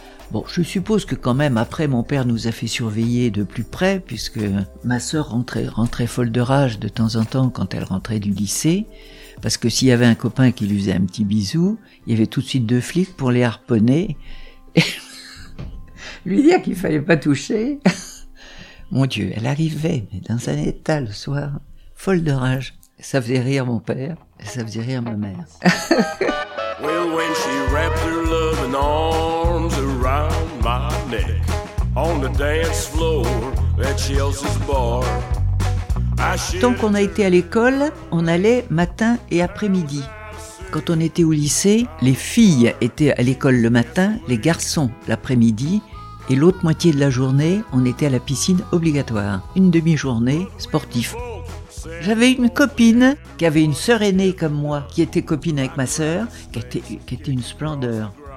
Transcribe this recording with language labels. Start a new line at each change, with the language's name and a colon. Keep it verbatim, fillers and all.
French: Bon, je suppose que quand même, après, mon père nous a fait surveiller de plus près, puisque ma sœur rentrait, rentrait folle de rage de temps en temps quand elle rentrait du lycée, parce que s'il y avait un copain qui lui faisait un petit bisou, il y avait tout de suite deux flics pour les harponner, et lui dire qu'il fallait pas toucher. Mon Dieu, elle arrivait, mais dans un état le soir... Folle de rage. Ça faisait rire mon père, ça faisait rire ma mère.
English: Well, when she wrapped her loving arms around my neck on the dance floor at Chelsea's bar.
French: Tant qu'on a été à l'école, on allait matin et après-midi. Quand on était au lycée, les filles étaient à l'école le matin, les garçons l'après-midi. Et l'autre moitié de la journée, on était à la piscine obligatoire. Une demi-journée sportif. J'avais une copine qui avait une sœur aînée comme moi, qui était copine avec ma sœur, qui était, qui était une splendeur.